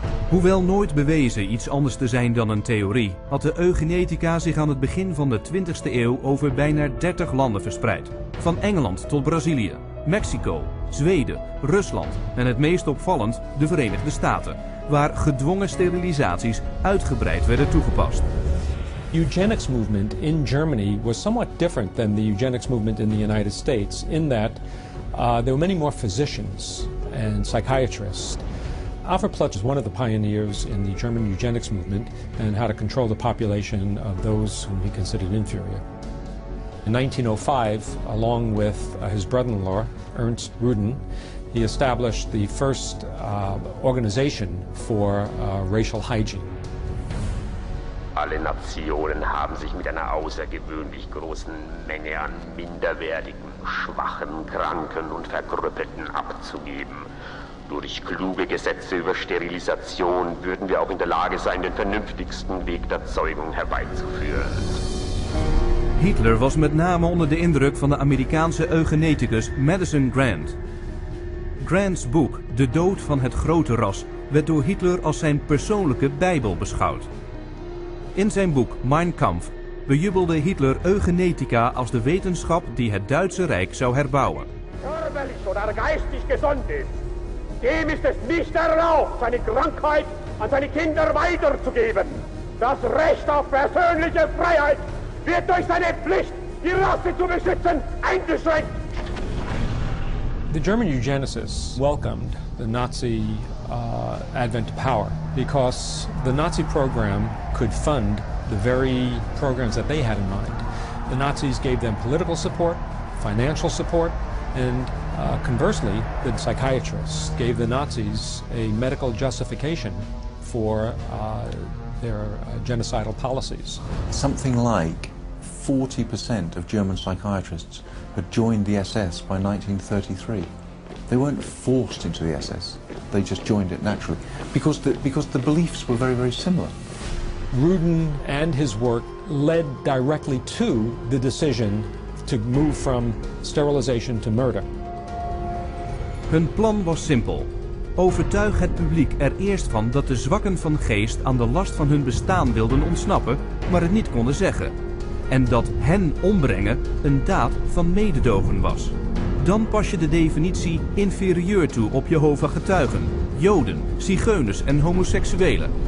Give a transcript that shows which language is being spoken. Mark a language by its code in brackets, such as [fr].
[nl] Hoewel nooit bewezen iets anders te zijn dan een theorie, had de eugenetica zich aan het begin van de 20e eeuw over bijna 30 landen verspreid. Van Engeland tot Brazilië, Mexico, Zweden, Rusland en het meest opvallend de Verenigde Staten, waar gedwongen sterilisaties uitgebreid werden toegepast. [en] The eugenics movement in Germany was somewhat different than the eugenics movement in the United States in that there were many more physicians and psychiatrists. Alfred Plutch is one of the pioneers in the German eugenics movement and how to control the population of those whom he considered inferior. In 1905, along with his brother-in-law, Ernst Rudin, he established the first organization for racial hygiene. [de] Alle Nationen haben sich mit einer außergewöhnlich großen Menge an minderwertigen, schwachen, kranken und verkrüppelten abzugeben. Durch kluge Gesetze über Sterilisation würden wir auch in der Lage sein, den vernünftigsten Weg der Zeugung herbeizuführen. [nl] Hitler was met name onder de indruk van de Amerikaanse eugeneticus Madison Grant. Grant's boek, De Dood van het Grote Ras, werd door Hitler als zijn persoonlijke Bijbel beschouwd. In zijn boek Mein Kampf bejubelde Hitler eugenetica als de wetenschap die het Duitse Rijk zou herbouwen. [de] Körperlich oder geistig gesund ist, dem ist es nicht erlaubt, seine Krankheit an seine Kinder weiterzugeben. Das Recht auf persönliche Freiheit wird durch seine Pflicht, die Rasse zu beschützen, eingeschränkt. [en] The German eugenicists welcomed the Nazi advent to power because the Nazi program could fund the very programs that they had in mind. The Nazis gave them political support, financial support, and conversely, the psychiatrists gave the Nazis a medical justification for their genocidal policies. Something like 40% of German psychiatrists had joined the SS by 1933. They weren't forced into the SS, they just joined it naturally, because the beliefs were very, very similar. Rudin and his work led directly to the decision to move from sterilization to murder. [nl] Hun plan was simpel. Overtuig het publiek er eerst van dat de zwakken van geest aan de last van hun bestaan wilden ontsnappen, maar het niet konden zeggen. En dat hen ombrengen een daad van mededogen was. Dan pas je de definitie inferieur toe op Jehovah getuigen, Joden, zigeuners en homoseksuelen.